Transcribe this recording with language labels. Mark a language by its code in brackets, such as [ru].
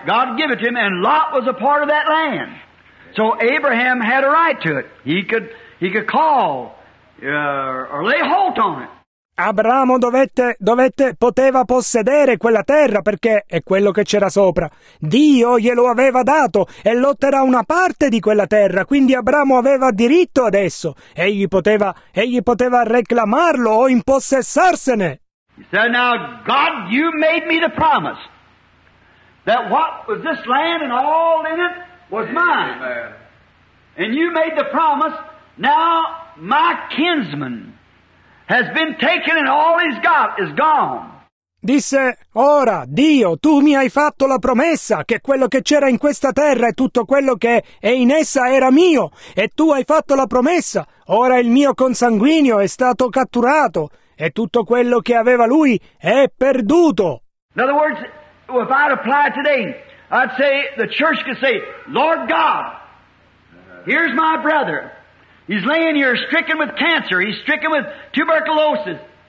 [en] God gave it to him, and Lot was a part of that land. So Abraham had a right to it. He could call or lay hold on it. [it] Abramo poteva possedere quella terra perché è quello che c'era sopra. Dio glielo aveva dato e Lot era una parte di quella terra, quindi Abramo aveva diritto adesso. Egli poteva reclamarlo o impossessarsene. [en] He said, now God, you made me the promise that what was this land and all in it was mine. And you made the promise, now my kinsman has been taken and all he's got is gone. [it] Disse, ora, Dio, tu mi hai fatto la promessa che quello che c'era in questa terra e tutto quello che è in essa era mio, e tu hai fatto la promessa, ora il mio consanguineo è stato catturato, e tutto quello che aveva lui è perduto. [en] In other words, if I'd apply today, I'd say, the church could say, Lord God, here's my brother. He's laying here stricken with cancer. He's stricken with tuberculosis.